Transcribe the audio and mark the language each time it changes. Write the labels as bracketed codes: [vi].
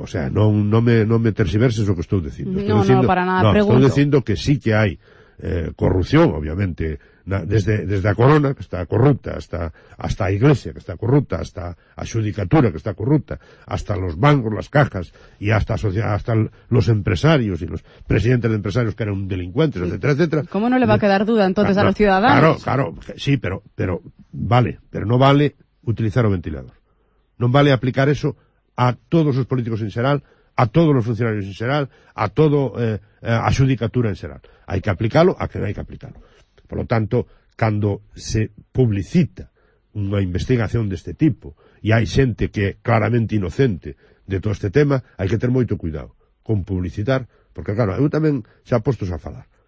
[gl] Non me terxiverses o que estou dicindo. Estou dicindo que sí que hai corrupción, obviamente, desde a corona, que está corrupta, hasta a iglesia, que está corrupta, hasta a xudicatura, que está corrupta, hasta los bancos, las cajas, y hasta los empresarios y los presidentes de empresarios que eran delincuentes, etcétera, etcétera. [es] ¿Cómo no le va a quedar duda entonces a los ciudadanos? [gl] Claro, sí, pero vale, pero no vale utilizar o ventilador. Non vale aplicar eso a todos os políticos en xeral, a todos os funcionarios en xeral, a todo a xudicatura en xeral. Hai que aplicalo a quen hai que aplicalo. Por lo tanto, cando se publicita unha investigación deste tipo e hai xente que é claramente inocente de todo este tema, hai que ter moito cuidado con publicitar, porque, claro, eu tamén xa postos a falar.